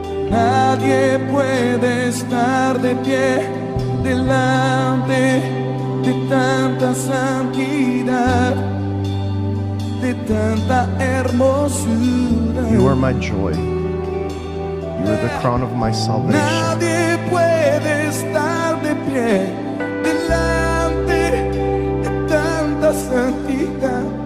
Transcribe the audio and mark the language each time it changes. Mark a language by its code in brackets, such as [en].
[es] Nadie puede estar de pie delante de tanta santidad, de tanta hermosura. [en] You are my joy. You are the crown of my salvation. [es] Nadie puede estar de pie delante de tanta santidad.